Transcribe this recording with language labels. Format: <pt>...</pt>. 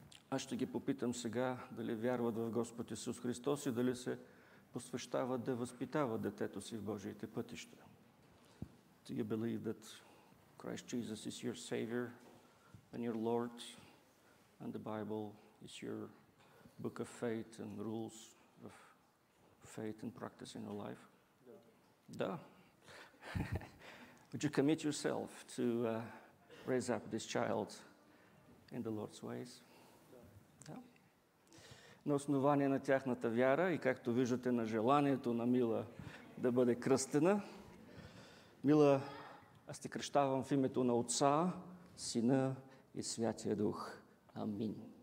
<bg>Аз ще ги попитам сега дали вярват в Господ Исус Христос и дали се посвещават да възпитават детето си в Божиите пътища.</bg> <en>Do you believe that Christ Jesus is your Savior and your Lord and the Bible is your book of faith and rules of faith and practice in your life?</en> <bg>Да.</bg> <en>Would you commit yourself to raise up this child in the Lord's ways?</en> <bg>Да. На основание на тяхната вяра и както виждате на желанието на Мила да бъде кръстена. Мила, аз те кръщавам в името на Отца, Сина и Святия Дух. Амин.</bg>